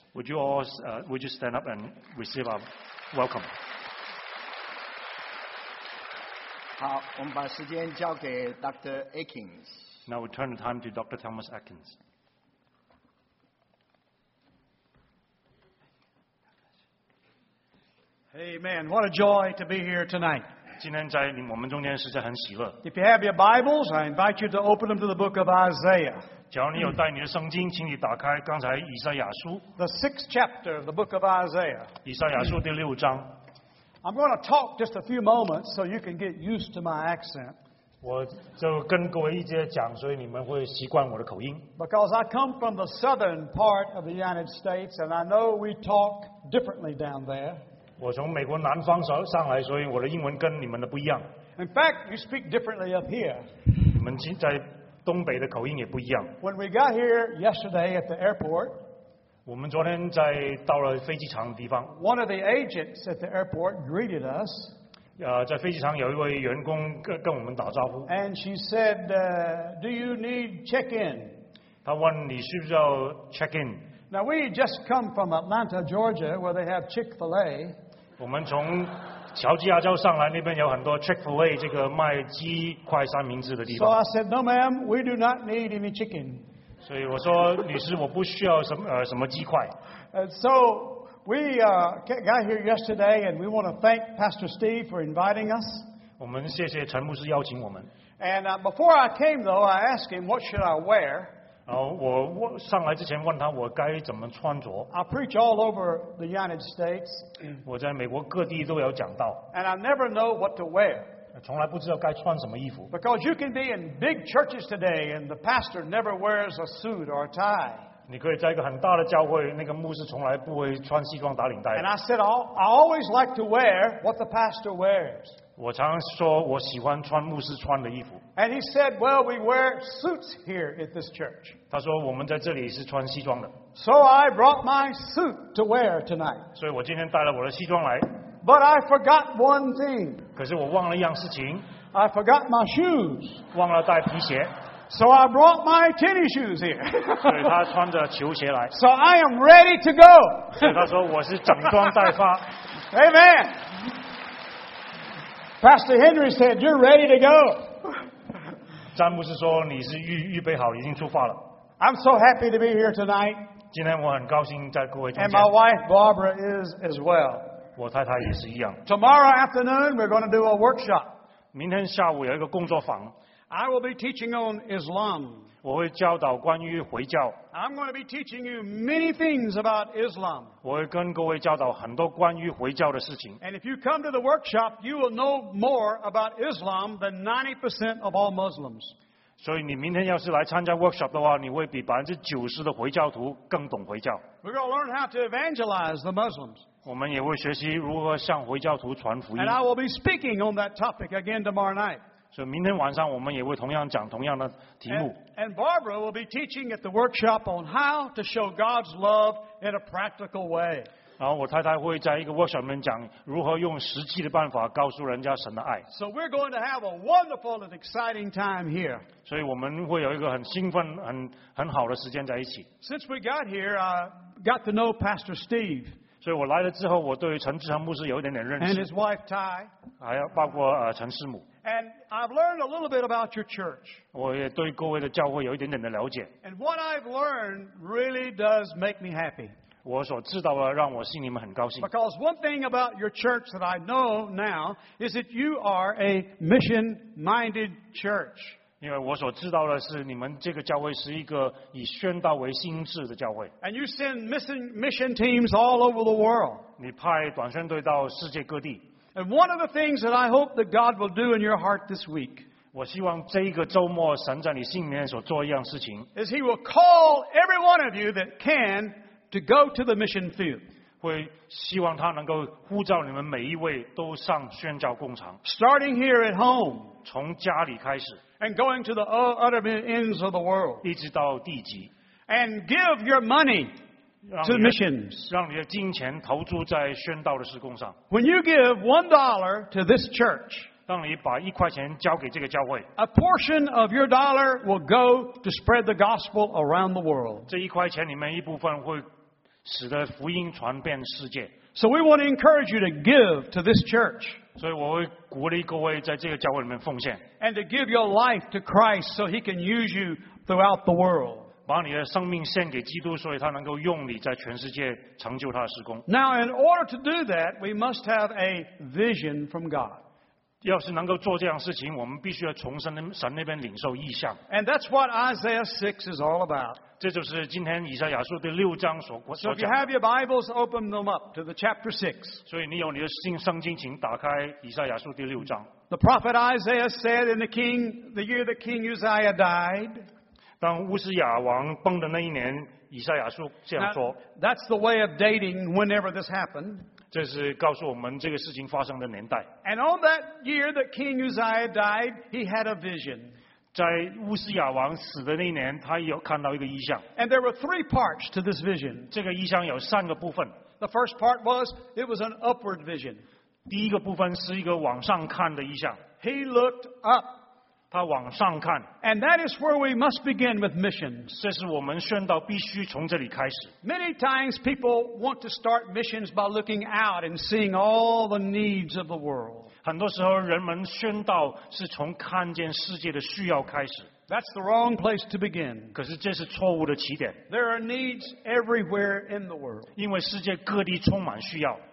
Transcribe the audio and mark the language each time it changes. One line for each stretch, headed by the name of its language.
English: Would you all, would you stand up and receive our welcome?
Chinese: 好，我们把时间交给 Dr. Atkins。
English: Now we turn the time to Dr. Thomas Atkins. Hey man, what a joy to be here tonight.
Chinese: 今天在我们中间实在很喜乐。
English: If you have your Bibles, I invite you to open them to the book of Isaiah.
Chinese: 假如你有带你的圣经，请你打开刚才以赛亚书。
English: The sixth chapter of the book of Isaiah.
Chinese: 以赛亚书第六章。
English: I'm going to talk just a few moments so you can get used to my accent.
Chinese: 我就跟各位一直讲，所以你们会习惯我的口音。
English: Because I come from the southern part of the United States, and I know we talk differently down there.
Chinese: 我从美国南方上来，所以我的英文跟你们的不一样。
English: In fact, you speak differently up here.
Chinese: 你们现在。东北的口音也不一样。
English: When we got here yesterday at the airport,
Chinese: 我们昨天在到了飞机场的地方。
English: One of the agents at the airport greeted us.
Chinese: 在飞机场有一位员工跟我们打招呼。
English: And she said, "Do you need check-in?"
Chinese: 他问你需不需要 check-in?
English: Now we just come from Atlanta, Georgia, where they have Chick-fil-A.
Chinese: 我们从乔治亚州上来，那边有很多 Chick-fil-A 这个卖鸡块三明治的地方。
English: So I said, "No, ma'am, we do not need any chicken."
Chinese: 所以我说，女士，我不需要什么鸡块。
English: So we got here yesterday, and we want to thank Pastor Steve for inviting us.
Chinese: 我们谢谢陈牧师邀请我们。
English: And before I came, though, I asked him, "What should I wear?"
Chinese: 然后我上来之前问他我该怎么穿着。
English: I preach all over the United States.
Chinese: 我在美国各地都有讲道。
English: And I never know what to wear.
Chinese: 从来不知道该穿什么衣服。
English: Because you can be in big churches today and the pastor never wears a suit or a tie.
Chinese: 你可以在一个很大的教会，那个牧师从来不会穿西装打领带。
English: And I said, I always like to wear what the pastor wears.
Chinese: 我常说我喜欢穿牧师穿的衣服。
English: And he said, "Well, we wear suits here at this church."
Chinese: 他说我们在这里是穿西装的。
English: So I brought my suit to wear tonight.
Chinese: 所以我今天带了我的西装来。
English: But I forgot one thing.
Chinese: 可是我忘了一样事情。
English: I forgot my shoes.
Chinese: 忘了带皮鞋。
English: So I brought my tennis shoes here.
Chinese: 所以他穿着球鞋来。
English: So I am ready to go.
Chinese: 所以他说我是整装待发。
English: Amen. Pastor Henry said, "You're ready to go."
Chinese: 詹牧师说你是预备好，已经出发了。
English: I'm so happy to be here tonight.
Chinese: 今天我很高兴在各位中间。
English: And my wife Barbara is as well.
Chinese: 我太太也是一样。
English: Tomorrow afternoon we're going to do a workshop.
Chinese: 明天下午有一个工作坊。
English: I will be teaching on Islam.
Chinese: 我会教导关于回教。
English: I'm going to be teaching you many things about Islam.
Chinese: 我会跟各位教导很多关于回教的事情。
English: And if you come to the workshop, you will know more about Islam than 90% of all Muslims.
Chinese: 所以你明天要是来参加 workshop 的话，你会比90%的回教徒更懂回教。
English: We're going to learn how to evangelize the Muslims.
Chinese: 我们也会学习如何向回教徒传福音。
English: And I will be speaking on that topic again tomorrow night.
Chinese: 所以明天晚上我们也会同样讲同样的题目。
English: And Barbara will be teaching at the workshop on how to show God's love in a practical way.
Chinese: 然后我太太会在一个 workshop 里面讲如何用实际的办法告诉人家神的爱。
English: So we're going to have a wonderful and exciting time here.
Chinese: 所以我们会有一个很兴奋、很好的时间在一起。
English: Since we got here, I got to know Pastor Steve.
Chinese: 所以我来了之后，我对陈志恒牧师有一点点认识。
English: And his wife Ty.
Chinese: 还有包括陈师母。
English: And I've learned a little bit about your church.
Chinese: 我也对各位的教会有一点点的了解。
English: And what I've learned really does make me happy.
Chinese: 我所知道的让我心里面很高兴。
English: Because one thing about your church that I know now is that you are a mission-minded church.
Chinese: 因为我所知道的是你们这个教会是一个以宣道为心志的教会。
English: And you send mission teams all over the world.
Chinese: 你派短宣队到世界各地。
English: And one of the things that I hope that God will do in your heart this week,
Chinese: 我希望这个周末神在你心里面所做一样事情。
English: Is he will call every one of you that can to go to the mission field.
Chinese: 会希望他能够呼召你们每一位都上宣教工厂
English: ，starting here at home，
Chinese: 从家里开始
English: ，and going to the other ends of the world，
Chinese: 一直到地极
English: ，and give your money to missions，
Chinese: 让你的金钱投注在宣道的事工上。
English: When you give $1 to this church，
Chinese: 当你把一块钱交给这个教会
English: ，a portion of your dollar will go to spread the gospel around the world。
Chinese: 这一块钱里面一部分会。使得福音传遍世界。
English: So we want to encourage you to give to this church.
Chinese: 所以我会鼓励各位在这个教会里面奉献。
English: And to give your life to Christ so he can use you throughout the world.
Chinese: 把你的生命献给基督，所以他能够用你在全世界成就他的事工。
English: Now in order to do that, we must have a vision from God.
Chinese: 要是能够做这样的事情，我们必须要从神那边领受异象。
English: And that's what Isaiah 6 is all about.
Chinese: 这就是今天以赛亚书第六章所讲的。
English: So if you have your Bibles, open them up to the chapter 6.
Chinese: 所以你有你的新圣经，请打开以赛亚书第六章。
English: The prophet Isaiah said in the year that King Uzziah died.
Chinese: 当乌斯雅王崩的那一年，以赛亚书这样说。
English: That's the way of dating whenever this happened.
Chinese: 这是告诉我们这个事情发生的年代。
English: And on that year that King Uzziah died, he had a vision.
Chinese: 在乌斯雅王死的那一年，他有看到一个异象。
English: And there were three parts to this vision.
Chinese: 这个异象有三个部分。
English: The first part was it was an upward vision.
Chinese: 第一个部分是一个往上看的异象。
English: He looked up.
Chinese: 他往上看。
English: And that is where we must begin with missions.
Chinese: 这是我们宣道必须从这里开始。
English: Many times people want to start missions by looking out and seeing all the needs of the world.
Chinese: 很多时候人们宣道是从看见世界的需要开始。
English: That's the wrong place to begin.
Chinese: 可是这是错误的起点。
English: There are needs everywhere in the world.
Chinese: 因为世界各地充满需要。